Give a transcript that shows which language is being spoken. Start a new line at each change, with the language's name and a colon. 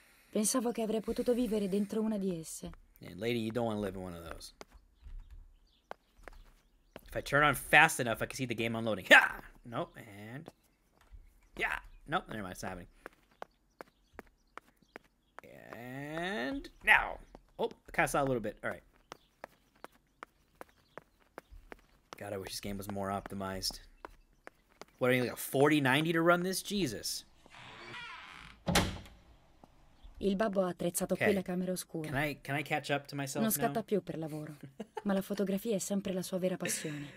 Italian: Pensavo che avrei potuto vivere dentro una di esse.
English: And lady, you don't want to live in one of those. If I turn on fast enough, I can see the game unloading. Yeah. Nope. And. Yeah. Nope. Never mind. It's not happening. And. Now. Oh, cast out a little bit. All right. God, I wish this game was more optimized. What, are you like a 4090 to run this? Jesus.
Italian: Il babbo ha attrezzato qui la camera oscura.
English: Can I catch up to myself
Italian: non scatta
English: now?
Italian: Più per lavoro, ma la fotografia è sempre la sua vera passione.